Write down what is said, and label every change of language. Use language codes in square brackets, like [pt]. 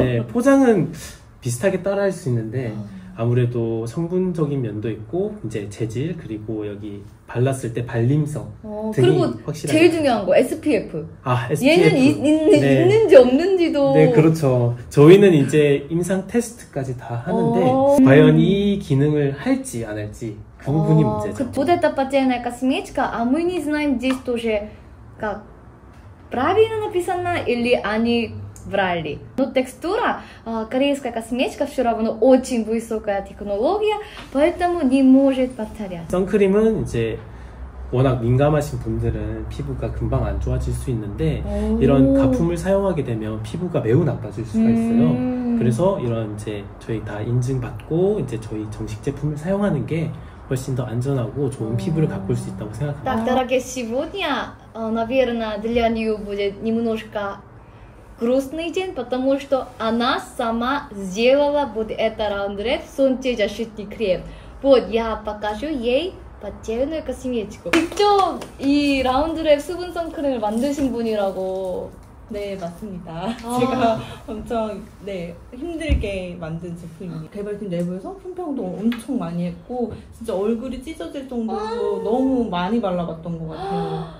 [ko] 네, 포장은 비슷하게 따라할 수 있는데 아무래도 성분적인 면도 있고 이제 재질 그리고 여기 발랐을 때 발림성 어, 등이 그리고 확실하게 제일 중요한 거 SPF. 아 SPF 얘는 네. 있는지 없는지도 네 그렇죠. 저희는 이제 임상 테스트까지 다 하는데 과연 이 기능을 할지 안 할지 그 부분이 문제죠. 보다 빠지는 [ru] косметика, а мы не знаем здесь тоже как правильно написано или они врали. Но текстура корейская косметика все равно очень высокая технология, поэтому не может повторять. [ko] 선크림은 이제 워낙 민감하신 분들은 피부가 금방 안 좋아질 수 있는데 이런 가품을 사용하게 되면 피부가 매우 나빠질 수가 있어요. 그래서 이런 이제 저희 다 인증받고 이제 저희 정식 제품을 사용하는 게 훨씬 더 안전하고 좋은 피부를 가꿀 수 있다고 생각합니다. [ru] Так, дорогие, сегодня, наверное, для нее будет немножко грустный день, потому что она сама сделала вот это раундрэп солнцезащитный крем. Вот, я покажу ей потерянную косметику. [ko] 직접 이 раундрэп 수분 선크림을 만드신 분이라고 네, 맞습니다. 제가 엄청 네 힘들게 만든 제품입니다. 개발팀 내부에서 품평도 엄청 많이 했고 진짜 얼굴이 찢어질 정도로 너무 많이 발라봤던 것 같아요.